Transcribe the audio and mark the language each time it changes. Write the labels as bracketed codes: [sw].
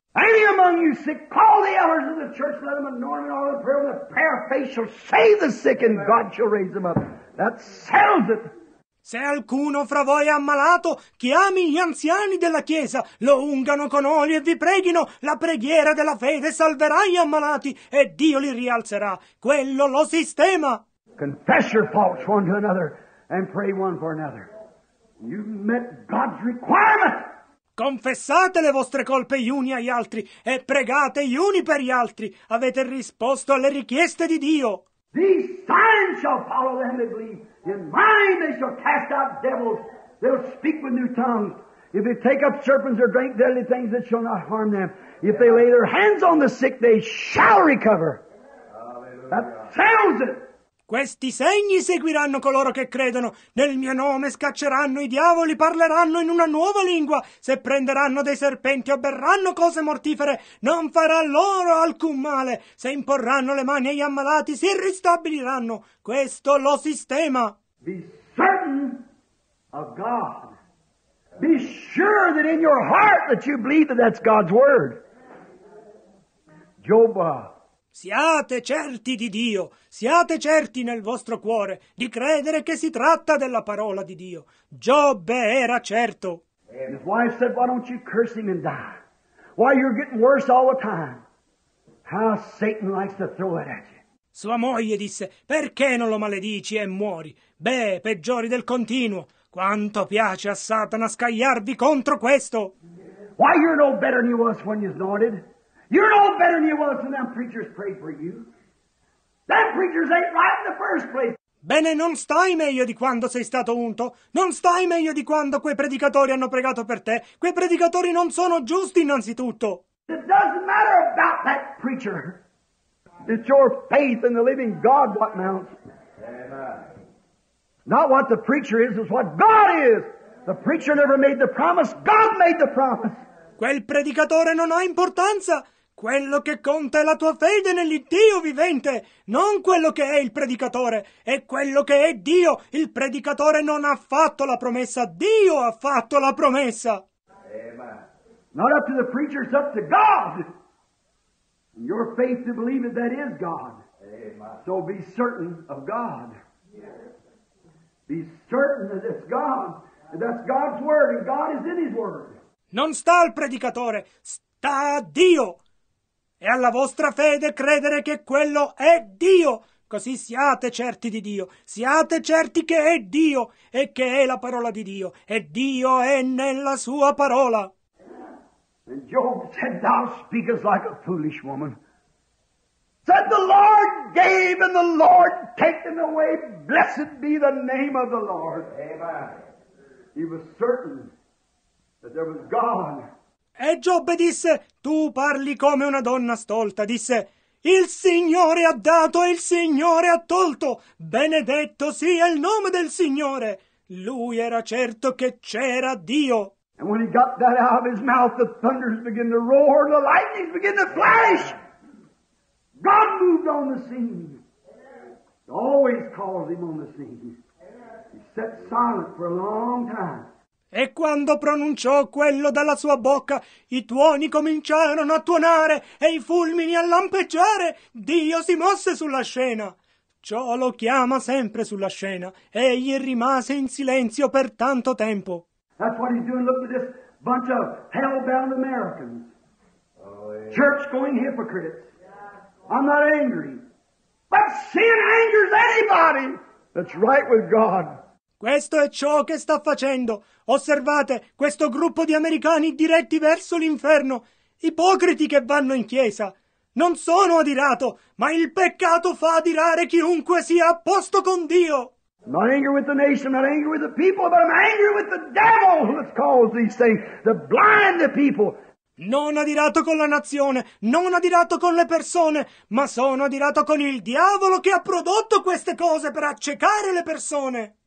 [en] Any among you sick, call the elders of the church, let them anoint all the prayer, and the prayer of faith shall save the sick, and God shall raise them up. That settles it. [it] Se alcuno fra voi è ammalato, chiami gli anziani della chiesa, lo ungano con olio e vi preghino. La preghiera della fede salverà gli ammalati e Dio li rialzerà. Quello lo sistema. [en] Confess your faults one to another and pray one for another. You've met God's requirement. [it] Confessate le vostre colpe gli uni agli altri e pregate gli uni per gli altri. Avete risposto alle richieste di Dio. [en] These signs shall follow them that believe. In my name they shall cast out devils. They'll speak with new tongues. If they take up serpents or drink deadly things, it shall not harm them. If they lay their hands on the sick, they shall recover. That settles it. [it] Questi segni seguiranno coloro che credono. Nel mio nome scacceranno i diavoli, parleranno in una nuova lingua. Se prenderanno dei serpenti o berranno cose mortifere, non farà loro alcun male. Se imporranno le mani agli ammalati, si ristabiliranno. Questo lo sistema. [en] Be certain of God. Be sure that in your heart that you believe that that's God's word. Job. [it] Siate certi di Dio, siate certi nel vostro cuore di credere che si tratta della parola di Dio. Giobbe era certo. [en] And his wife said, why don't you curse him and die? Why you're getting worse all the time? How Satan likes to throw it at you. [it] Sua moglie disse, perché non lo maledici e muori? Beh, peggiori del continuo. Quanto piace a Satana scagliarvi contro questo. [en] Why you're no better than you was when you snorted? You're no better than you was when them preachers prayed for you. Them preachers ain't right in the first place. [it] Bene, non stai meglio di quando sei stato unto. Non stai meglio di quando quei predicatori hanno pregato per te. Quei predicatori non sono giusti innanzitutto. [en] It doesn't matter about that preacher. It's your faith in the living God what counts. Amen. Not what the preacher is what God is. The preacher never made the promise. God made the promise. [it] Quel predicatore non ha importanza. Quello che conta è la tua fede nell'Iddio vivente, non quello che è il predicatore. È quello che è Dio. Il predicatore non ha fatto la promessa. Dio ha fatto la promessa. [en] Amen. Not up to the preacher, it's up to God. And your faith to believe that is God. Amen. So be certain of God. Yes. Be certain that it's God. And that's God's word, and God is in his word. [it] Non sta al predicatore, sta a Dio. E alla vostra fede credere che quello è Dio. Così siate certi di Dio. Siate certi che è Dio e che è la parola di Dio. E Dio è nella sua parola. [en] And Job said, thou speakest like a foolish woman. Said, the Lord gave and the Lord taken away. Blessed be the name of the Lord. Amen. He was certain. There was God. [it] E Giobbe disse, tu parli come una donna stolta. Disse, il Signore ha dato e il Signore ha tolto. Benedetto sia il nome del Signore. Lui era certo che c'era Dio. [en] And when he got that out of his mouth, the thunders began to roar, the lightnings began to flash. God moved on the scene. He always calls him on the scene. He sat silent for a long time. [it] E quando pronunciò quello dalla sua bocca, i tuoni cominciarono a tuonare e i fulmini a lampeggiare. Dio si mosse sulla scena. Ciò lo chiama sempre sulla scena. Egli rimase in silenzio per tanto tempo. [en] That's what he's doing. Look at this bunch of hell-bound Americans. Oh, yeah. Church-going hypocrites. Yeah. I'm not angry. But sin angers anybody that's right with God. [it] Questo è ciò che sta facendo. Osservate questo gruppo di americani diretti verso l'inferno. Ipocriti che vanno in chiesa. Non sono adirato, ma il peccato fa adirare chiunque sia a posto con Dio. [en] I'm not angry with the nation, I'm not angry with the people, but I'm angry with the devil who has caused these things, to blind the people. [it] Non adirato con la nazione, non adirato con le persone, ma sono adirato con il diavolo che ha prodotto queste cose per accecare le persone.